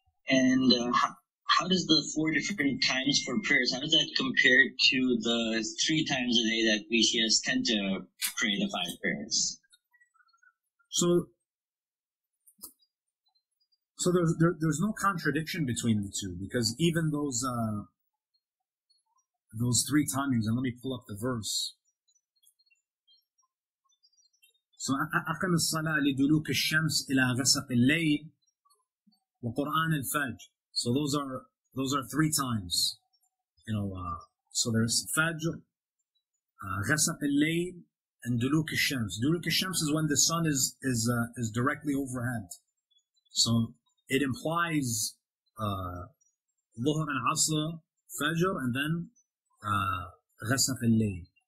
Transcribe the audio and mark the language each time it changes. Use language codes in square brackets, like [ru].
[en] And how does the 4 different times for prayers, how does that compare to the 3 times a day that we Shias tend to pray the 5 prayers? So there's no contradiction between the two, because even those 3 timings, and let me pull up the verse. [ar] So أقم الصلاة لدلوك الشمس إلى غسق الليل وقرآن الفجر. [en] So those are 3 times, you know. So there's Fajr, Ghasaq al-Layl, and Duluk al-Shams. Duluk al-Shams is when the sun is directly overhead. So it implies Dhuhr al-Asr, Fajr, and then Ghasaq al-Layl.